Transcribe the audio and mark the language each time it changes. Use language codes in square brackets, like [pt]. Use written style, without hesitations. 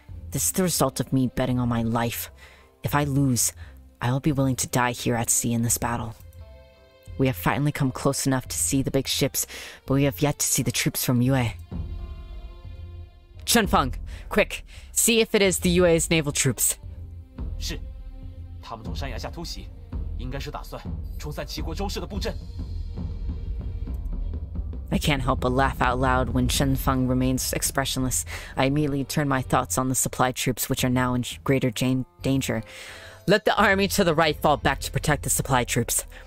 [en] This is the result of me betting on my life. If I lose, I will be willing to die here at sea in this battle. We have finally come close enough to see the big ships, but we have yet to see the troops from Yue. Chenfeng, quick, see if it is the Yue's naval troops. [zh] 是, 他们从山崖下突袭, 应该是打算冲散齐国周氏的布阵。 [en] I can't help but laugh out loud when Chenfeng remains expressionless. I immediately turn my thoughts on the supply troops, which are now in greater danger. Let the army to the right fall back to protect the supply troops.